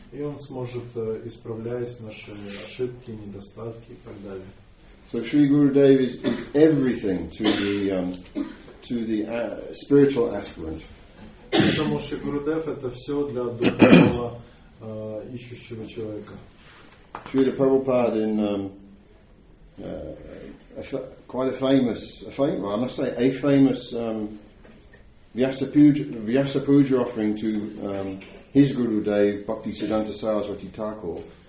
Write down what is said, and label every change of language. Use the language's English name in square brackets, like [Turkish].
[Russian] И он сможет исправлять наши ошибки, недостатки и так далее. [English] So Sri Gurudev is everything to the spiritual aspirant. [Russian] Потому что Гурудев это все для духовного ищущего человека. [English] Srila Prabhupada in a famous Vyasa Puja offering to his Gurudev Bhakti Siddhanta Saraswati Thakur.